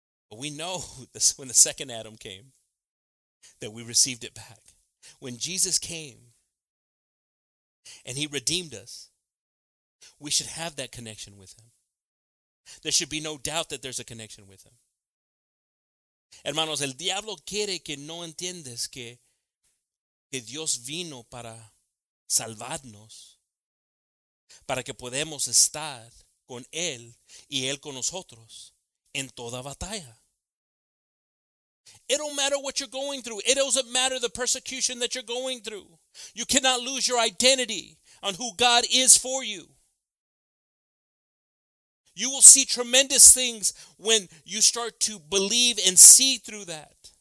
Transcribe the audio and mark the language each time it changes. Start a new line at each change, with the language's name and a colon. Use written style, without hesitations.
English: But we know this when the second Adam came, that we received it back. When Jesus came and he redeemed us, we should have that connection with him. There should be no doubt that there's a connection with him.
Spanish: Hermanos, el diablo quiere que no entiendes que Dios vino para salvarnos, para que podemos estar con él y él con nosotros en toda batalla.
English: It don't matter what you're going through. It doesn't matter the persecution that you're going through. You cannot lose your identity on who God is for you. You will see tremendous things when you start to believe and see through that.